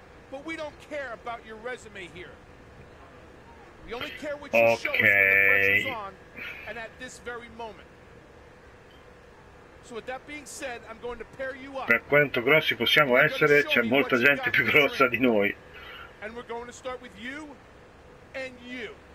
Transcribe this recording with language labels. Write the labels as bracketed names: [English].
[English] But we don't care about your resume here. We only care what you show us when the pressure's on and at this very moment. So with that being said, I'm going to pair you up. [Italian] Per quanto grossi possiamo essere, c'è molta gente più grossa di noi. [English] And we're going to start with you and you.